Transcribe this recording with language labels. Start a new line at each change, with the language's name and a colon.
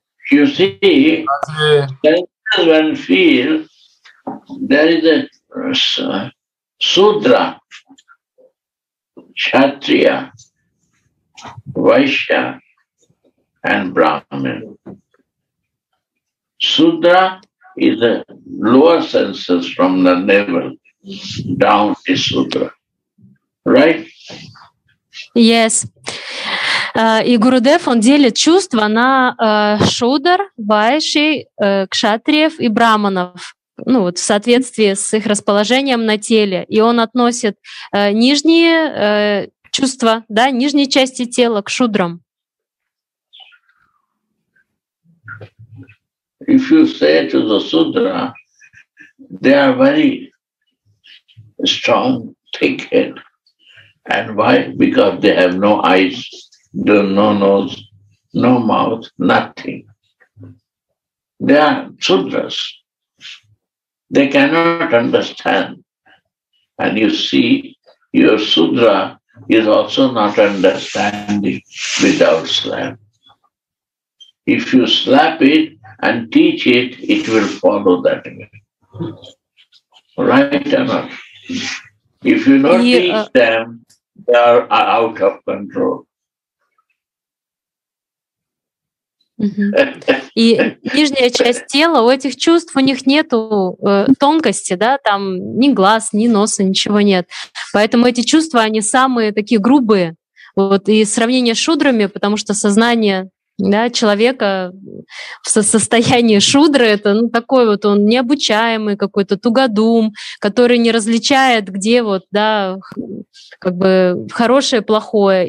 English: You see, senses when feel, there is a sudra, kshatriya, Vaishya and Brahmin. Sudra is the lower senses from the navel down is Sudra. Right? Yes.
Russian: И Гурудев, он делит чувства на шудар, вайши, кшатриев и браманов, ну вот в соответствии с их расположением на теле. И он относит нижние чувства, да, нижние части тела к шудрам.
English: If you say to the sudra, they are very strong, thick head. And why? Because they have no eyes, no nose, no mouth, nothing. They are sudras. They cannot understand. And you see, your sudra is also not understanding without slap. If you slap it and teach it, it will follow that way. Right or not? If you not teach them, they are out of control.
Russian: И нижняя часть тела, у этих чувств у них нету тонкости, да, там ни глаз, ни носа, ничего нет. Поэтому эти чувства, они самые такие грубые. Вот, и сравнение с шудрами, потому что сознание, да, человека в состоянии шудры, это ну, такой вот он необучаемый какой-то тугодум, который не различает, где вот, да, как бы хорошее, плохое.